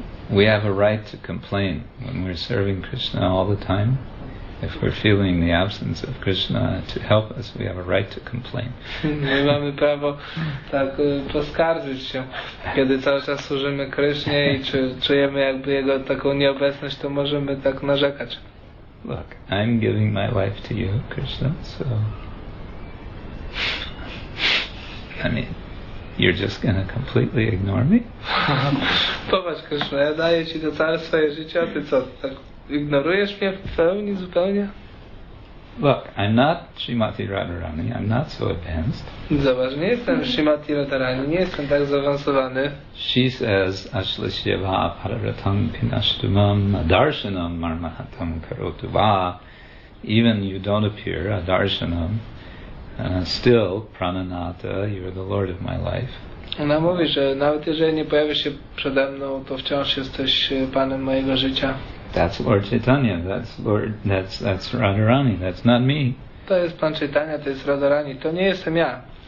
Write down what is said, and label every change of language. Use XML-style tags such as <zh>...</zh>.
<en>We have a right to complain when we're serving Krishna all the time. If we're feeling the absence of Krishna to help us, we have a right to complain.</en> <pl>My mamy prawo tak poskarżyć się, kiedy cały czas służymy Krishnie i czujemy jakby jego taką nieobecność, to możemy tak narzekać.</pl> <en>Look, I'm giving my life to you, Krishna, so I mean, you're just gonna completely ignore me?</en> <pl>Popatrz, Krishna, ja daję ci to całe swoje życie, a ty co? Tak ignorujesz mnie w pełni, zupełnie?</pl> <en>Look, I'm not Srimati Radharani, I'm not so advanced.</en> <pl>Zobacz, nie jestem Srimati Radharani, nie jestem tak zaawansowany.</pl> <en>She says,</en> <sa>Ashlasya va pararatam pinashtumam adarshanam marmahatam karotu va.</sa> <en>Even you don't appear adarshanam, still, Prananata, you're the Lord of my life.</en> <pl>Ona mówi, że nawet jeżeli nie pojawi się przede mną, to wciąż jesteś Panem mojego życia.</pl> <en>That's Lord Chaitanya, that's Radharani, that's not me.</en> <pl>To jest Pan Chaitanya, to jest Radharani, to nie jestem ja.</pl>